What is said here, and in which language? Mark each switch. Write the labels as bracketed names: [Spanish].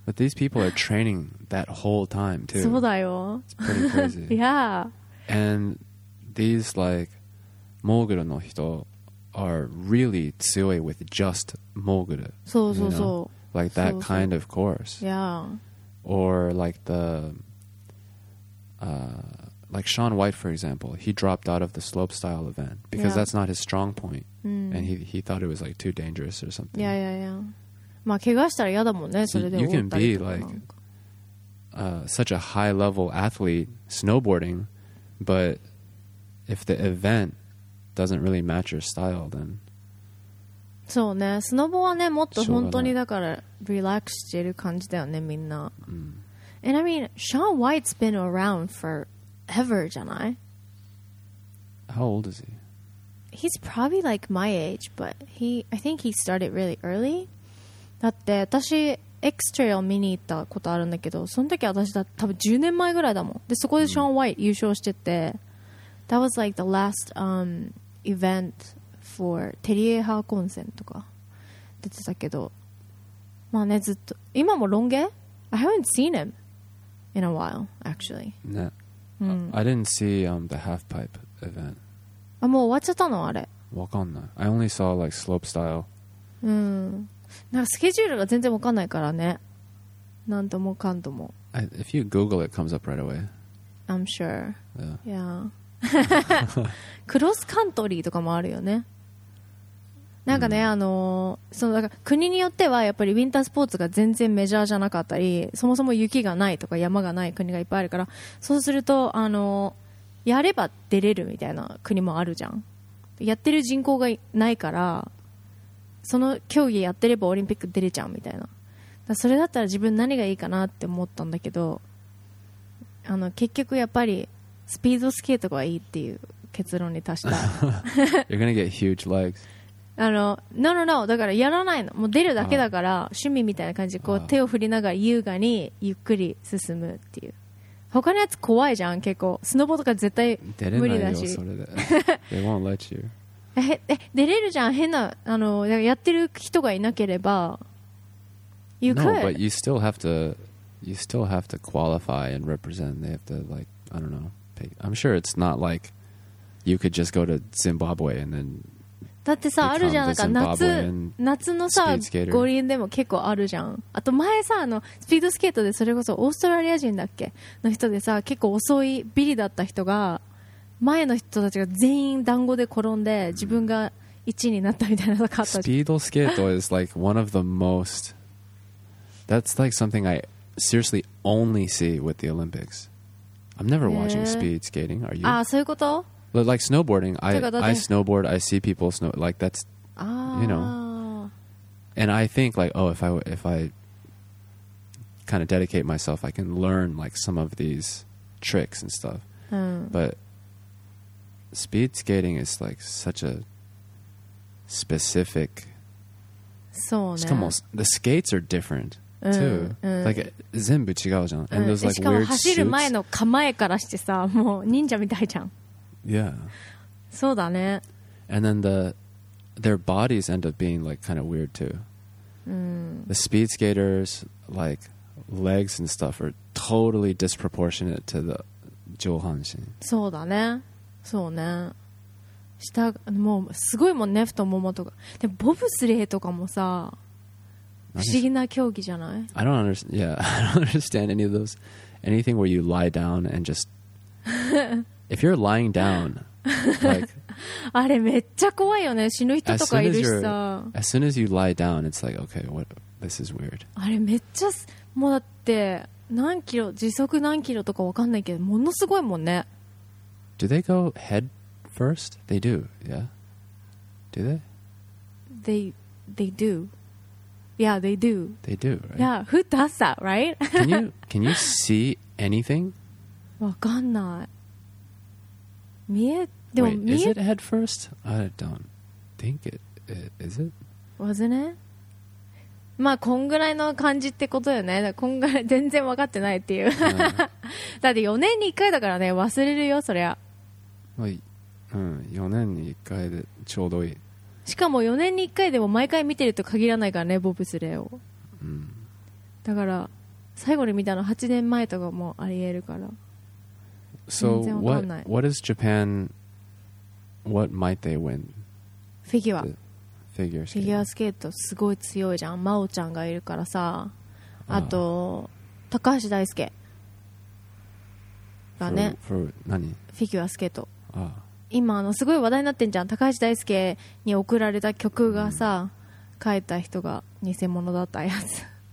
[English] But these people are training that whole time too. [Japanese] そうだよ。 [English] It's pretty crazy. Yeah. And these like [Japanese] モーグルの人 [English] are really [Japanese] 強い [English] with just モーグル。 [Japanese] そうそうそう。 [English] Like that kind of course. Yeah. Or like the like Sean White, for example, he dropped out of the slopestyle event because that's not his strong point. And he thought it was like too dangerous or something. Yeah, yeah, yeah. [Japanese] まあ怪我したら嫌だもんね、それで。 [English] You can be like such a high level athlete snowboarding, but if the event doesn't really match your style, then. [Japanese] そうね、スノボはね、もっと本当にだからリラックスしてる感じだよね、みんな。 [English] And I mean, Sean White's been around for. Ever, Janai. How old is he? He's probably like my age, but I think he started really early. [Japanese] だって私 X Trail 見に行ったことあるんだけど、その時私だ多分10年前ぐらいだもん。でそこでショーン・ワイト優勝してて、 [English] That was like the last event for [Japanese] テリエハーコンセンとか出てたけど、まあねずっと今もロンゲ？ [English] I haven't seen him in a while, actually. [Japanese] ね。 [English] I didn't see the half pipe event. [Japanese] あ、もう終わっちゃったのあれ。わかんない。 [English] I only saw like slope style. [Japanese] なんかスケジュールが全然わかんないからね。なんともかんとも。 [English] If you Google it, it comes up right away. I'm sure. Yeah. Yeah. [Japanese] クロスカントリーとかもあるよね。なんかね、そのだから国によってはやっぱりウィンタースポーツが全然メジャーじゃなかったり、そもそも雪がないとか山がない国がいっぱいあるから、そうするとやれば出れるみたいな国もあるじゃん。やってる人口がないから、その競技やってればオリンピック出れちゃうみたいな。だからそれだったら自分何がいいかなって思ったんだけど、結局やっぱりスピードスケートがいいっていう結論に達した。 [English] You're gonna get huge legs. [Japanese] No. だからやらないの。もう出るだけだから、趣味みたいな感じでこう手を振りながら優雅にゆっくり進むっていう。他のやつ怖いじゃん、結構。スノボとか絶対無理だし。出れないよ、それで。 [English] They won't let you. [Japanese] 出れるじゃん、変な、やってる人がいなければ。 [English] You could. No, but you still have to qualify and represent. They have to, like, I don't know. I'm sure it's not like you could just go to Zimbabwe and then. [Japanese] だってさ、あるじゃん、なんか夏のさ、五輪でも結構あるじゃん。あと前さ、スピードスケートでそれこそオーストラリア人だっけの人でさ、結構遅いビリだった人が、前の人たちが全員団子で転んで、自分が1位になったみたいなのがあった [English] じゃん。スピードスケート is like one of the most, that's like something I seriously only see with the Olympics. I'm never watching speed skating, are you? [Japanese] ああ、そういうこと？ [English] But like snowboarding, I snowboard, I see people snow, like that's, you know, and I think like, oh, if I kind of dedicate myself, I can learn like some of these tricks and stuff, but speed skating is like such a specific, [Japanese] そうね。しかも、 [English] the skates are different. Too. Like, [Japanese] 全部違うじゃん。 [English] And there's like weird [Japanese] suits. しかも走る前の構えからしてさ、もう忍者みたいじゃん。 [English] Yeah. [Japanese] そうだね。 [English] And then their bodies end up being like kind of weird too. The speed skaters' like legs and stuff are totally disproportionate to the 上半身。 [Japanese] そうだね。そうね。下、もうすごいもんね、太ももとか。でボブスレーとかもさ。不思議な競技じゃない? [English] I don't understand. Yeah, I don't understand any of those. Anything where you lie down and just if you're lying down, like [Japanese] あれめっちゃ怖いよね。死ぬ人とかいるしさ。 [English] As soon as you lie down, it's like, okay, what, this is weird. [Japanese] あれめっちゃ、もうだって何キロ、時速何キロとかわかんないけど、ものすごいもんね。 [English] Do they go head first? They do, yeah? Do they? They do. Yeah, they do. They do, right? Yeah, who does that, right? can you see anything? [Japanese] わかんない。見え、でも [English] 見え。Wait, is it head first? I don't think it, it is it? Wasn't it? [Japanese] まあこんぐらいの感じってことよね。だこんぐらい全然わかってないっていう。だって4年に1回だからね、忘れるよ、そりゃ。はい、うん、4年に1回でちょうどいい。しかも4年に1回でも毎回見てると限らないからね、ボブスレーを。うん。だから、最後に見たの8年前とかもあり得るから。 [English] So, what is Japan, what might they win? [Japanese] フィギュアスケート、すごい強いじゃん。真央ちゃんがいるからさ。あと、高橋大輔がね。何？フィギュアスケート。今、すごい話題になってんじゃん。高橋大輔に送られた曲がさ、書いた人が偽物だったやつ。